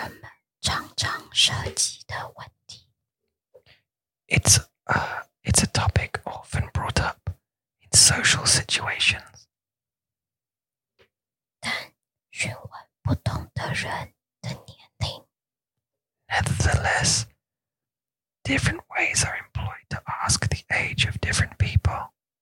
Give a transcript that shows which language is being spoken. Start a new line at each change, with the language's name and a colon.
Chinese: 在社交中是人们常常涉及的问题。
English: It's a topic often brought up in social situations.
Chinese: 但询问不同的人的年龄。
English: Nevertheless, different ways are employed to ask the age of different people.